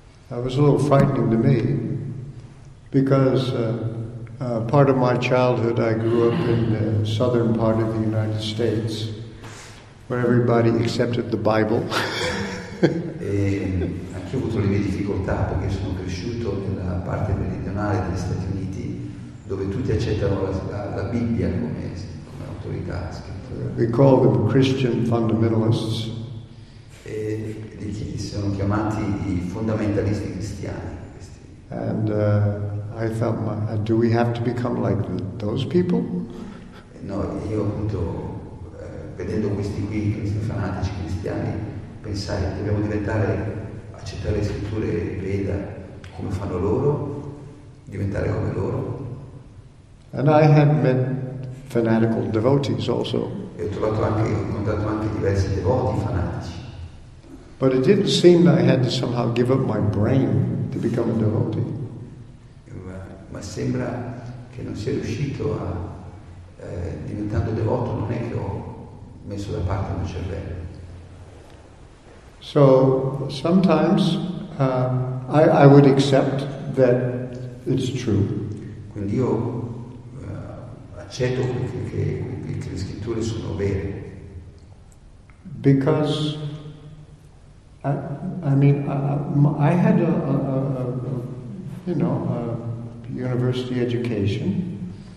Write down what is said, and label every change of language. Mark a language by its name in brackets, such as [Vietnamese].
[English] It was a little frightening to me because Part of my childhood, I grew up in the southern part of the United States, where everybody accepted the Bible. [Italian] Anch'io ho avuto le mie difficoltà perché sono cresciuto nella parte meridionale degli Stati Uniti, dove tutti accettano la Bibbia come autorità scrittura. [English] We call them Christian fundamentalists. [Italian] E li sono chiamati i fondamentalisti cristiani. [English] And I thought, do we have to become like those people? [Italian] No, io appunto, vedendo questi qui, questi fanatici cristiani, pensai, dobbiamo diventare, accettare le scritture Veda come fanno loro, diventare come loro. [English] And I have met fanatical devotees also. [Italian] E ho incontrato anche diversi devoti fanatici. [English] But it didn't seem that I had to somehow give up my brain to become a devotee. [Italian] Ma sembra che non sia riuscito a diventando devoto non è che ho messo da parte il mio cervello. [English] So sometimes I would accept that it's true. [Italian] Quindi io accetto che le scritture sono vere. [English] Because I had a university education.